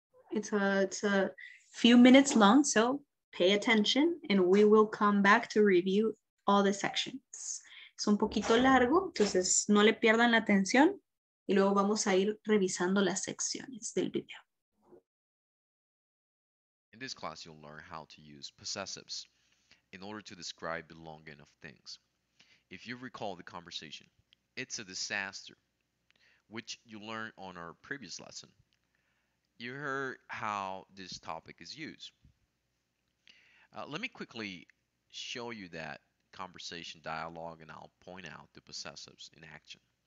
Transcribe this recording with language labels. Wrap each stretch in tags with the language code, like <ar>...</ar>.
<en>It's a few minutes long, so pay attention and we will come back to review all the sections.</en> <es>Es un poquito largo, entonces no le pierdan la atención y luego vamos a ir revisando las secciones del video.</es> <en>In this class, you'll learn how to use possessives in order to describe belonging of things. If you recall the conversation, it's a disaster, which you learned on our previous lesson. You heard how this topic is used. Let me quickly show you that conversation dialogue and I'll point out the possessives in action.</en>